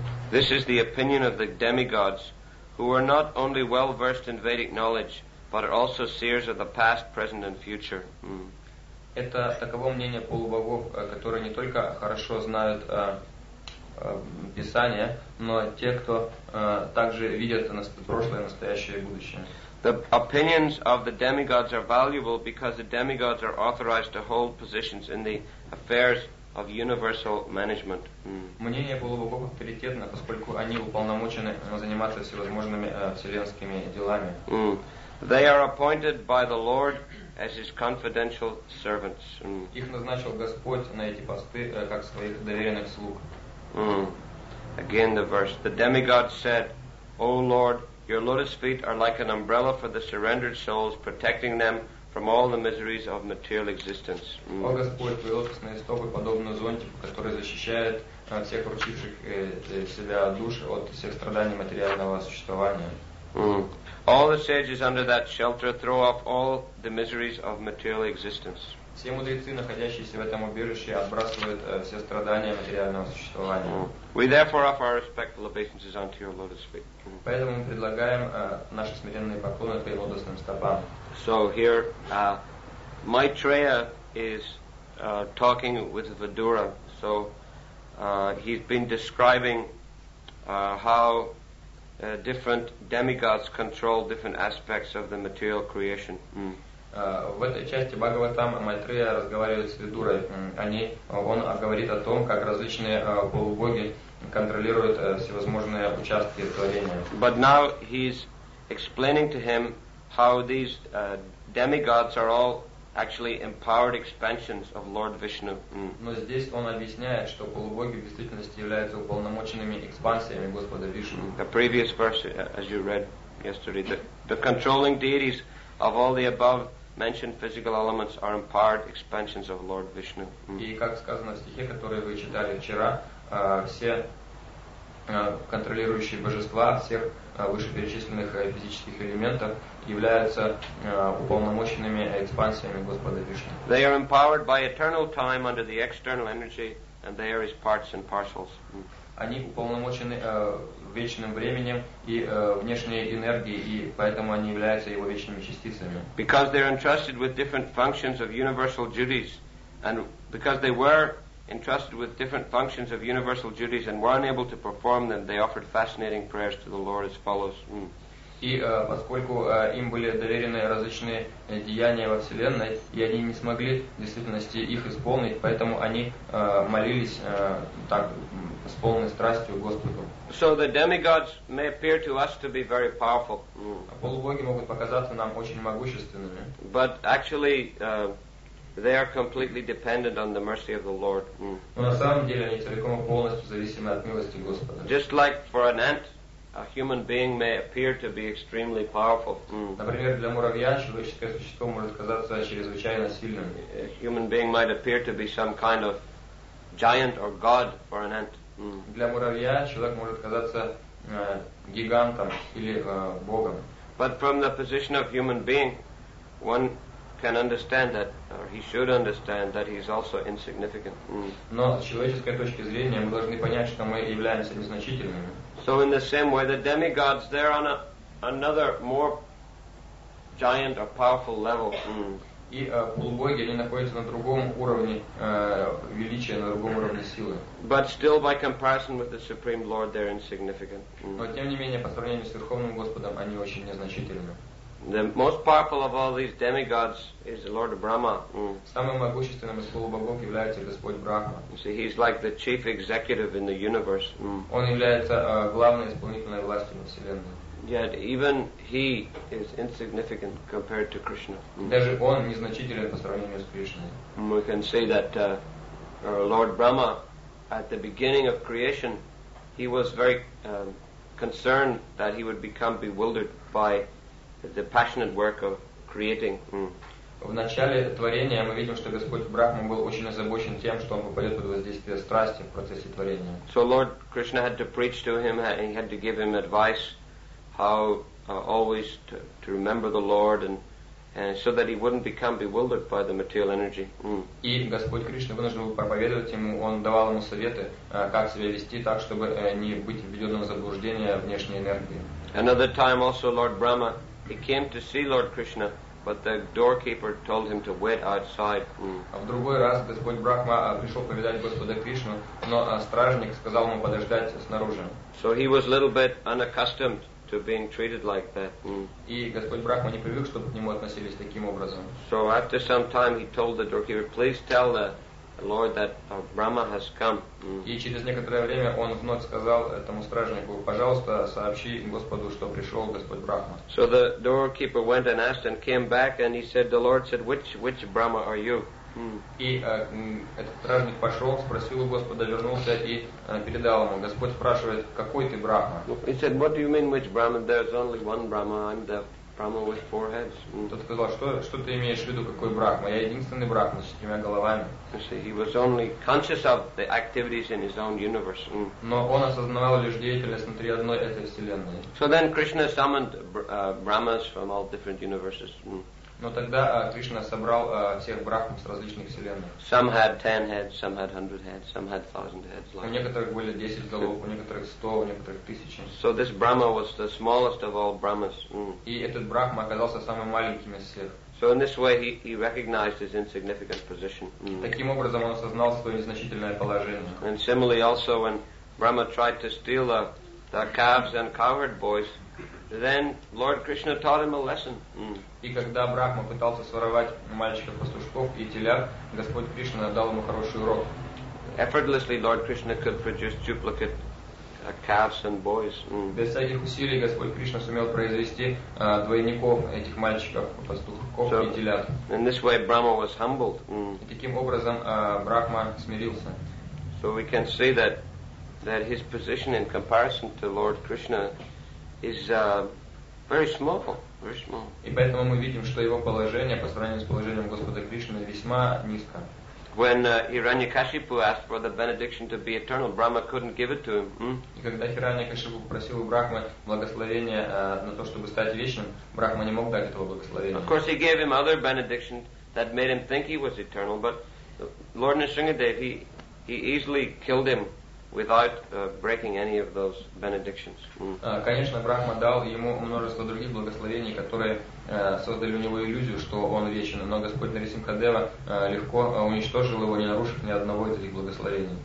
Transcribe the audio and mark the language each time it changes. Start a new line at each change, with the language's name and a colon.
English: This is the opinion of the demigods, who are not only well versed in Vedic knowledge, but are also seers of the past, present, and future.
Russian: Это таково мнение полубогов, которые не только хорошо знают Писание, но те, кто также видят прошлое, настоящее и будущее.
English: The opinions of the demigods are valuable because the demigods are authorized to hold positions in the affairs of universal management.
Russian: Мнение полубогов авторитетно, поскольку они уполномочены заниматься всевозможными вселенскими делами.
English: They are appointed by the Lord as his confidential servants.
Russian: Их назначил Господь на эти посты как своих доверенных слуг.
English: Again the verse. The demigod said, O Lord, your lotus feet are like an umbrella for the surrendered souls, protecting them from all the miseries of material existence.
Russian: О Господь, твои лотосные стопы подобны зонтику, который защищает всех вручивших себя душ от всех страданий материального существования.
English: All the sages under that shelter throw off all the miseries of material existence.
Russian: Все мудрецы, находящиеся в этом убежище, отбрасывают все страдания материального существования.
English: We therefore offer our respectful obeisances unto your lotus feet.
Russian: Поэтому мы предлагаем наши смиренные поклоны твоим лотосным стопам.
English: So here, Maitreya is talking with Vidura. So he's been describing how different demigods control different aspects of the material creation.
Russian: В этой части Бхагаватам Майтрея разговаривает с Видурой. Он говорит о том, как различные полубоги контролируют всевозможные участки творения.
English: But now he's explaining to him how these demigods are all actually empowered expansions of Lord Vishnu.
Russian: Но здесь он объясняет, что полубоги в действительности являются уполномоченными экспансиями Господа Вишну.
English: The previous verse, as you read yesterday, the controlling deities of all the above mentioned physical elements are empowered expansions of Lord Vishnu.
Russian: И как сказано в стихе, который вы читали вчера, все контролирующие божества всех вышеперечисленных физических элементов являются уполномоченными экспансиями Господа Вишну.
English: They are empowered by eternal time under the external energy, and they are his parts and parcels.
Russian: Они уполномочены вечным временем и внешней энергией, и поэтому они являются его вечными частицами.
English: Because they are entrusted with different functions of universal duties, and because they were entrusted with different functions of universal duties and were unable to perform them, they offered fascinating prayers to the Lord as follows.
Russian: И поскольку им были доверены различные деяния во Вселенной, и они не смогли в действительности их исполнить, поэтому они молились так с полной страстью Господу.
English: So the demigods may appear to us to be very powerful.
Russian: Полубоги могут показаться нам очень могущественными.
English: But actually, they are completely dependent on the mercy of the Lord.
Russian: Но на самом деле они целиком и полностью зависимы от милости Господа.
English: Just like for an ant, a human being may appear to be extremely powerful.
Russian: Например, для муравья человеческое существо может казаться чрезвычайно сильным.
English: A human being might appear to be some kind of giant or god for an ant.
Russian: Для муравья человек может казаться гигантом или богом.
English: But from the position of human being, one can understand that, or he should understand that he is also insignificant.
Russian: Но с человеческой точки зрения мы должны понять, что мы являемся незначительными.
English: So in the same way, the demigods, they're on another more giant or powerful level.
Russian: И полубоги, они находятся на другом уровне величия, на другом уровне силы.
English: But still, by comparison with the Supreme Lord, they're insignificant.
Russian: Но тем не менее, по сравнению с Верховным Господом, они очень незначительны.
English: The most powerful of all these demigods is the Lord Brahma.
Russian: Самым могущественным из полубогов является Господь Брахма.
English: You see, he's like the chief executive in the universe.
Russian: Он является главной исполнительной властью во Вселенной.
English: Yet even he is insignificant compared to Krishna.
Russian: Даже он незначителен по сравнению с Кришной.
English: We can say that Lord Brahma, at the beginning of creation, he was very concerned that he would become bewildered by the passionate work of creating.
Russian: В начале творения мы видим, что Господь Брахма был очень озабочен тем, что он попадет под воздействие страсти в процессе творения.
English: So Lord Krishna had to preach to him, and he had to give him advice how always to remember the Lord, and so that he wouldn't become bewildered by the material energy.
Russian: И Господь Кришна вынужден был проповедовать ему, он давал ему советы, как себя вести так, чтобы не быть введенным в заблуждение внешней энергии.
English: Another time also Lord Brahma, he came to see Lord Krishna, but the doorkeeper told him to wait outside.
Russian: А в другой раз Господь Брахма пришел повидать Господа Кришну, но стражник сказал ему подождать снаружи.
English: So he was a little bit unaccustomed to being treated like that.
Russian: И Господь Брахма не привык, чтобы к нему относились таким образом.
English: So after some time, he told the doorkeeper, "Please tell the Lord that Brahma has come."
Russian: И через некоторое время он вновь сказал этому стражнику, пожалуйста, сообщи Господу, что пришел Господь Брахма.
English: So the doorkeeper went and asked and came back, and he said, the Lord said, which Brahma are you?
Russian: И этот стражник пошел, спросил у Господа, вернулся и передал ему. Господь спрашивает, какой ты Брахма?
English: He said, what do you mean, which Brahma? There's only one Brahma, I'm the Brahma with four heads.
Russian: Тот сказал, что ты имеешь в виду, какой Брахма? Я единственный Брахма с четырьмя головами.
English: He was only conscious of the activities in his own universe.
Russian: Но он осознавал лишь деятельность внутри одной этой вселенной.
English: So then Krishna summoned Brahmas from all different universes.
Russian: Но тогда Кришна собрал всех Брахм с различных вселенных.
English: Some had 10 heads, some had 100 heads, some had 1000 heads.
Russian: У некоторых были 10 голов, у некоторых 100, у некоторых 1000.
English: So this Brahma was the smallest of all Brahmas.
Russian: И этот Брахма оказался самым маленьким из всех.
English: So in this way he recognized his insignificant position.
Russian: Таким образом он осознал свое незначительное положение.
English: And similarly also when Brahma tried to steal the calves and cowherd boys, Then Lord Krishna taught him a lesson.
Russian: И когда Брахма пытался своровать мальчика пастушков и телят, Господь Кришна дал ему хороший урок.
English: Effortlessly, Lord Krishna could produce duplicate calves and boys.
Russian: Без всяких усилий Господь Кришна сумел произвести двойников этих мальчиков пастушков и телят.
English: In this way, Brahma was humbled.
Russian: И таким образом Брахма смирился.
English: So we can see that his position in comparison to Lord Krishna is very small.
Russian: И поэтому мы видим, что его положение по сравнению с положением Господа Кришны весьма низко.
English: When Hiranyakashipu asked for the benediction to be eternal, Brahma couldn't give it to him.
Russian: И когда Хираньякашипу попросил у Брахмы благословение на то, чтобы стать вечным, Брахма не мог дать этого благословения.
English: Of course, he gave him other benedictions that made him think he was eternal, but Lord Nrisimhadev he easily killed him without breaking any of those benedictions.
Russian: Конечно, Брахма дал ему множество других благословений, которые создали у него иллюзию, что он вечен. Но Господь Нарисимхадева легко уничтожил его, не нарушив ни одного из этих благословений.